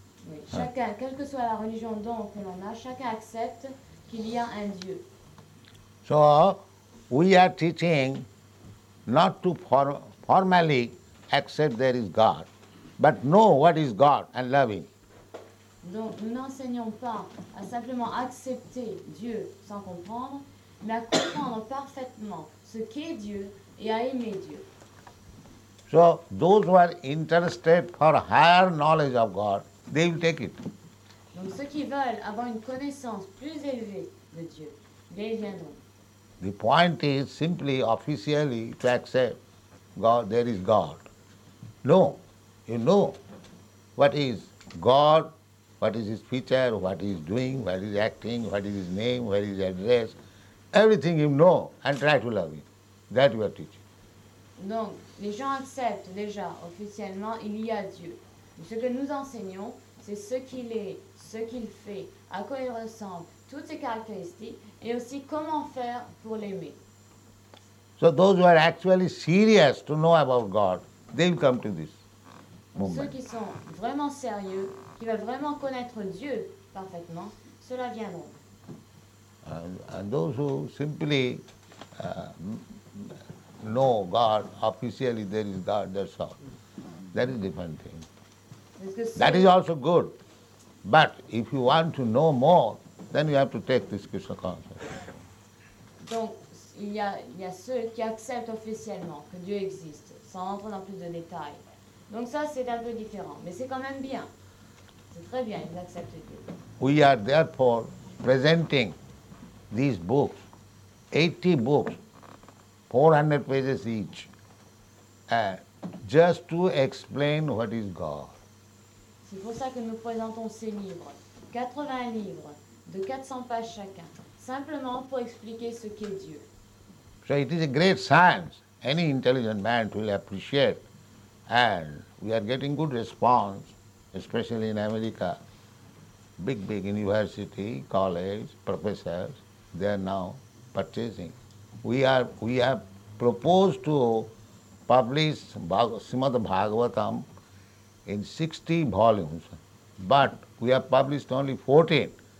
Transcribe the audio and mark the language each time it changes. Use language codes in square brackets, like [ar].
[fr] Oui, chacun, quelle que soit la religion donc que l'on a, chacun accepte qu'il y a un Dieu. [en] So, we are teaching not to formally accept there is God, but know what is God and love Him. Donc, nous n'enseignons pas à simplement accepter Dieu sans comprendre, mais à comprendre parfaitement ce qu'est Dieu et à aimer Dieu. So, those who are interested for higher knowledge of God, they will take it. Donc, ceux qui veulent avoir une connaissance plus élevée de Dieu, ils viendront. The point is simply, officially, to accept God, there is God. No. You know what is God, what is His feature, what He is doing, what He is acting, what is His name, what is His address. Everything you know and try to love Him. That you are teaching. [fr] Donc, les gens acceptent déjà officiellement, il y a Dieu. Mais ce que nous enseignons, c'est ce qu'il est, ce qu'il fait, à quoi il ressemble, toutes ses caractéristiques, et aussi comment faire pour l'aimer. [en] So those who are actually serious to know about God, they will come to this. [fr] Ceux qui sont vraiment sérieux, qui veulent vraiment connaître Dieu parfaitement, cela viendra. [en] And those who simply know God officially, there is God, that's all. That is a different thing. That is also good. But if you want to know more, then you have to take this Krishna consciousness. [fr] Donc, il y a ceux qui acceptent officiellement que Dieu existe, sans entrer dans plus de détails. Donc ça, c'est un peu différent, mais c'est quand même bien. C'est très bien, ils acceptent Dieu. [en] We are therefore presenting these books, 80 books, 400 pages each, just to explain what is God. [fr] C'est pour ça que nous présentons ces livres, 80 livres, de 400 pages chacun, simplement pour expliquer ce qu'est Dieu. [en] So it is a great science. Any intelligent man will appreciate. And we are getting good response, especially in America. Big, big university, college, professors, they are now purchasing. We have proposed to publish Srimad Bhagavatam in 60 volumes, but we have published only 14.